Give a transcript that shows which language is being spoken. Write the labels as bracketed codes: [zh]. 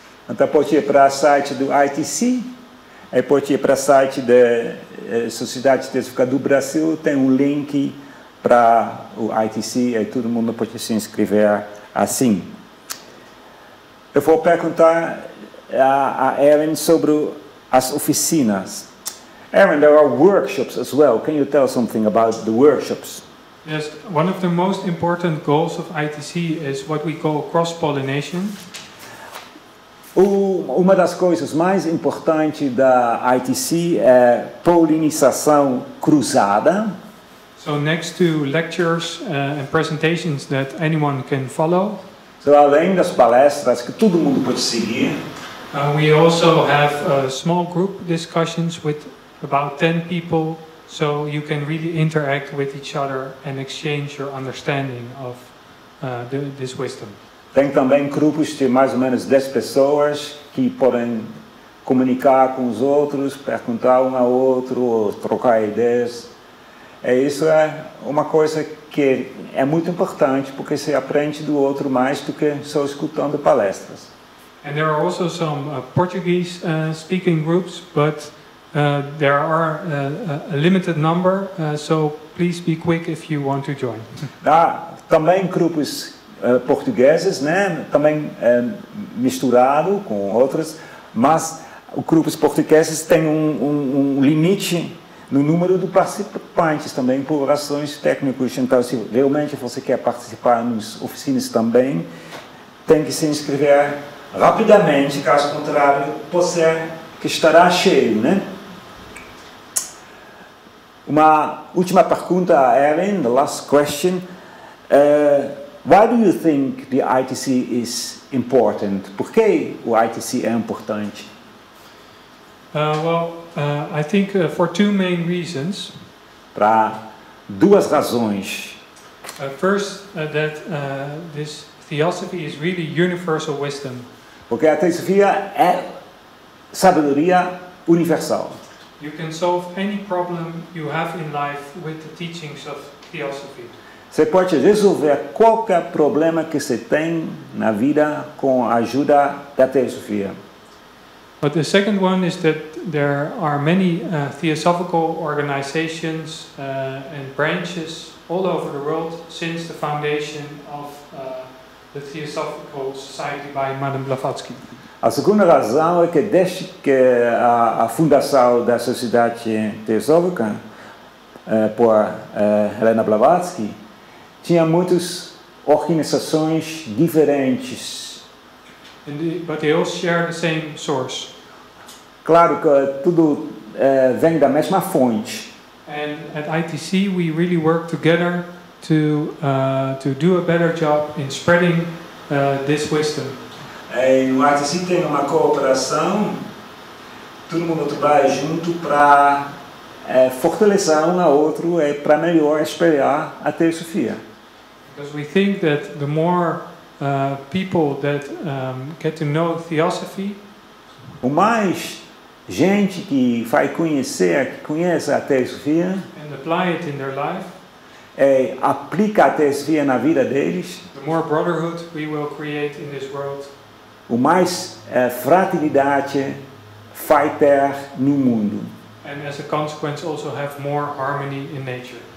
[pt] Então pode ir para o site do ITC, pode ir para o site da Sociedade Teosófica do Brasil, tem um link para o ITC, e todo mundo pode se inscrever assim. Eu vou perguntar a Ellen sobre as oficinas. [en] Aaron, there are workshops as well. Can you tell something about the workshops? Yes, one of the most important goals of ITC is what we call cross-pollination. [pt] Uma das coisas mais importantes da ITC é polinização cruzada. [en] So next to lectures and presentations that anyone can follow. [pt] So além das palestras que todo mundo pode seguir. [en] We also have small group discussions with about 10 people, so you can really interact with each other and exchange your understanding of this wisdom. [pt] Tem também grupos de mais ou menos 10 pessoas que podem comunicar com os outros, perguntar um ao outro, ou trocar ideias. E isso é uma coisa que é muito importante, porque você aprende do outro mais do que só escutando palestras. [en] And there are also some Portuguese speaking groups, but there are a limited number, so please be quick if you want to join. [pt] Ah, também grupos portugueses, né? Também misturado com outros, mas os grupos portugueses têm um limite no número de participantes também por razões técnicas. Então, se realmente você quer participar nas oficinas também, tem que se inscrever rapidamente, caso contrário, você que estará cheio, né? Uma última pergunta, Ellen, [en] the last question. Why do you think the ITC is important? [pt] Por que o ITC é importante? [en] I think for two main reasons. [pt] Para duas razões. [en] First, that this theosophy is really universal wisdom. [pt] Porque a teosofia é sabedoria universal. [en] You can solve any problem you have in life with the teachings of theosophy. [pt] Você pode resolver qualquer problema que você tem na vida com a ajuda da teosofia. [en] But the second one is that there are many theosophical organizations and branches all over the world since the foundation of the Theosophical Society by Madame Blavatsky. [pt] A segunda razão é que desde que a fundação da Sociedade Teosófica por Helena Blavatsky, tinha muitas organizações diferentes. [en] But they all share the same source. [pt] Claro que tudo vem da mesma fonte. [en] And at ITC we really work together to do a better job in spreading this wisdom. [pt] No ITC tem uma cooperação, todo mundo trabalha junto para fortalecer um ao outro e para melhor espalhar a teosofia. [en] Because we think that the more people that get to know theosophy, [pt] o mais gente que vai conhecer, que conhece a teosofia, [en] and apply it in their life, [pt] e aplica a teosofia na vida deles, [en] the more brotherhood we will create in this world, [pt] o mais fraternidade vai ter no mundo, [en] and as a consequence also have more harmony in nature.